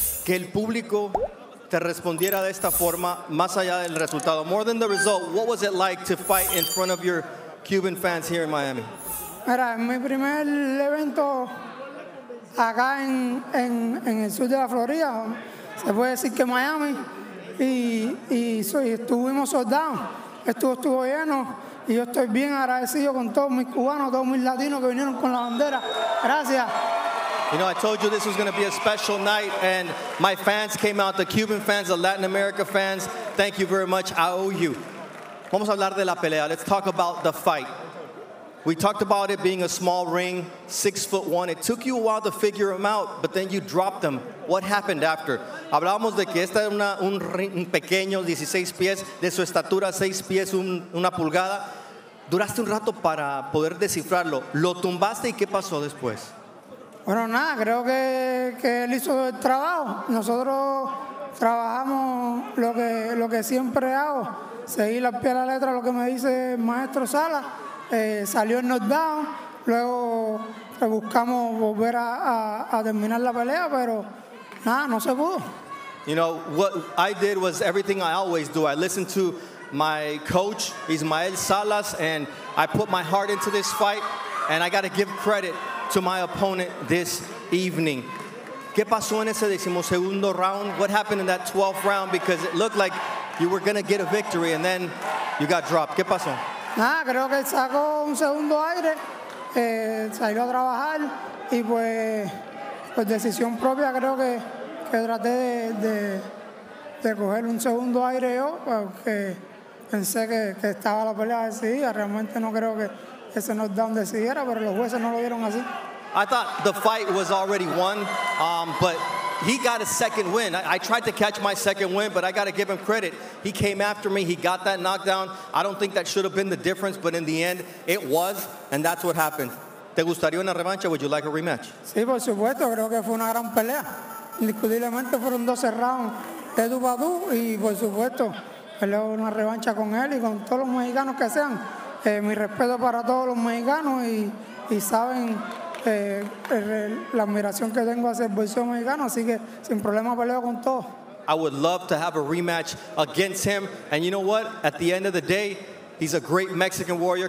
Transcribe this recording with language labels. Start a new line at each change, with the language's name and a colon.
Spanish: que el público te respondiera de esta forma, más allá del resultado.
English: More than the result, what was it like to fight in front of your Cuban fans here in Miami?
Spanish: Mira, en mi primer evento acá en el sur de la Florida, se puede decir que Miami, y estuvimos sold out. Estuvo lleno, y yo estoy bien agradecido con todos mis cubanos, todos mis latinos que vinieron con la bandera. Gracias.
English: You know, I told you this was going to be a special night, and my fans came out, the Cuban fans, the Latin America fans. Thank you very much. I owe you.
Spanish: Vamos a hablar de la pelea.
English: Let's talk about the fight. We talked about it being a small ring, 6'1". It took you a while to figure him out, but then you dropped him. What happened after?
Spanish: Hablábamos de que esta era un ring pequeño, 16 pies, de su estatura 6 pies, una pulgada. Duraste un rato para poder descifrarlo. ¿Lo tumbaste y qué pasó después? Bueno, nada, creo que él hizo el trabajo. Nosotros trabajamos lo que siempre hago. Seguí la pie a la letra lo que me dice el maestro Sala. Salió el knockdown, luego buscamos volver a terminar la pelea, pero nada, no se pudo.
English: You know, what I did was everything I always do. I listened to my coach, Ismael Salas, and I put my heart into this fight, and I got to give credit to my opponent this evening.
Spanish: ¿Qué pasó en ese decimosegundo round?
English: What happened in that 12th round? Because it looked like you were going to get a victory, and then you got dropped.
Spanish: ¿Qué pasó? Nada, creo que sacó un segundo aire, salió a trabajar y pues decisión propia creo que traté de coger un segundo aire yo porque pensé que estaba la pelea decidida. Realmente no creo que ese knockdown decidiera, pero los jueces no lo vieron así.
English: I thought the fight was already won, but he got a second win. I tried to catch my second win, but I got to give him credit. He came after me. He got that knockdown. I don't think that should have been the difference, but in the end, it was, and that's what happened.
Spanish: ¿Te gustaría una revancha?
English: Would you like a rematch?
Spanish: Sí, por supuesto. Creo que fue una gran pelea. Indiscutiblemente fueron 12 rounds de tú para tú, y por supuesto, peleo una revancha con él y con todos los mexicanos que sean. Mi respeto para todos los mexicanos, y saben la admiración que tengo hacia el boxeo mexicano, así que sin problema peleo con todo.
English: I would love to have a rematch against him, and you know what, at the end of the day, he's a great Mexican warrior.